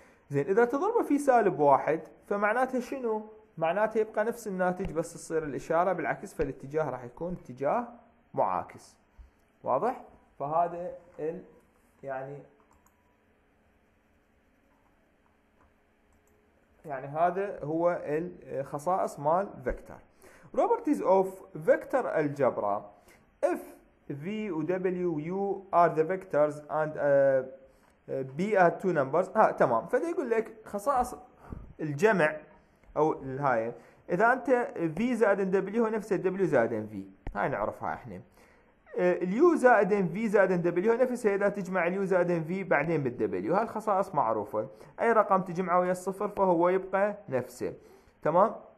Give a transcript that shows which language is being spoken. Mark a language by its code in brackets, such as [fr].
[ar] زين، اذا تضربه في سالب واحد فمعناته شنو؟ معناته يبقى نفس الناتج بس تصير الاشاره بالعكس، فالاتجاه راح يكون اتجاه معاكس. واضح؟ فهذا ال يعني هذا هو الخصائص مال فيكتور. [en] Properties of vector algebra. If v و w و u are the vectors and b are two numbers. [ar] ها تمام، فده يقول لك خصائص الجمع او الهاي. اذا انت v زائد w هو نفسه w زائد v، هاي نعرفها احنا. اليو زائد v زائد w هو نفسه اذا تجمع اليو زائد v بعدين بالw، هاي الخصائص معروفه. اي رقم تجمعه ويا الصفر فهو يبقى نفسه. تمام؟